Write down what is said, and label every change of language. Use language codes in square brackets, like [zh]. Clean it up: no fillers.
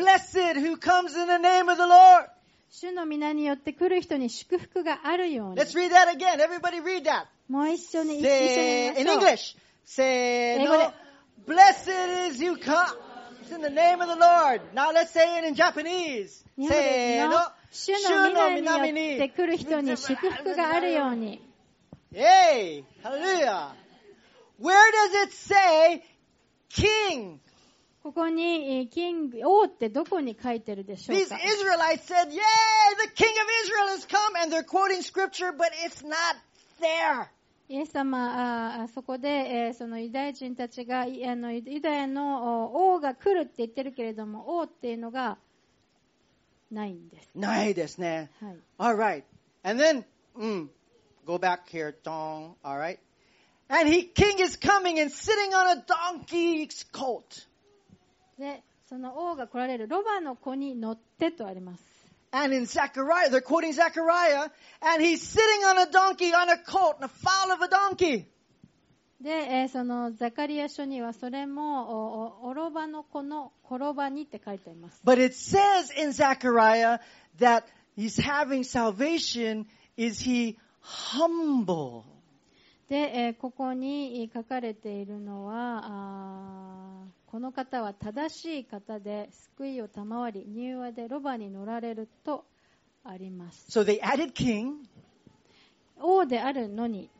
[en] Blessed who comes in the name of the Lord. [ja] 主の御名によって来る人に祝福があるように。 [en] Let's read that again. Everybody read that. [ja] もう一緒に一緒に。 [en] In English. [ja] せーの。 [en] Blessed is you come in the name of the Lord. Now let's say it in Japanese. [ja] せーの。主の御名によって来る人に祝福があるように。 [en] Hey, hallelujah. Where does it say king? [ja] ここに金王ってどこに書いてるでしょうか。 [en] These Israelites said, "Yay, the King of Israel has come," and they're quoting scripture, but it's not there. [ja] イエス様、そこで、そのユダヤ人たちが、ユダヤの王が来るって言ってるけれども、王っていうのがないんです。ないですね。はい。 [en] All right. And then, go back here, dong. All right. And he, king is coming and sitting on a donkey's colt. [ja] で、その王が来られる、ロバの子に乗ってとあります。 [en] And in Zechariah, they're quoting Zechariah, and he's sitting on a donkey, on a colt, on a foal of a donkey. [ja] で、そのザカリア書にはそれもオロバの子の転ばにって書いてあります。 [en] But it says in Zechariah that he's having salvation. Is he humble? [ja] で、ここに書かれているのは、この方は正しい方で救いを賜り、柔和でロバに乗られるとあります。 [en] So they added king, [ja] 王であるのに、